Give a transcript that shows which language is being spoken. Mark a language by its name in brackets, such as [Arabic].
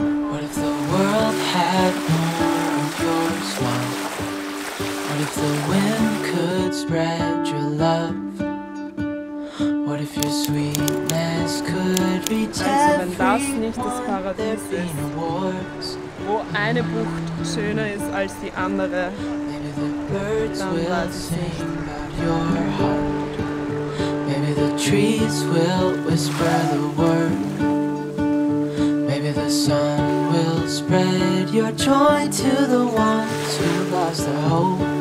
[English] What if the world had more of your smile? What if the wind could spread your love? What if your sweetness could be tested? [German] Wenn das nicht das Paradies ist, wo eine Bucht schöner ist als die andere, dann weiß ich nicht. [English] Maybe the trees will whisper the word. sun will spread your joy to the ones who lost their hope.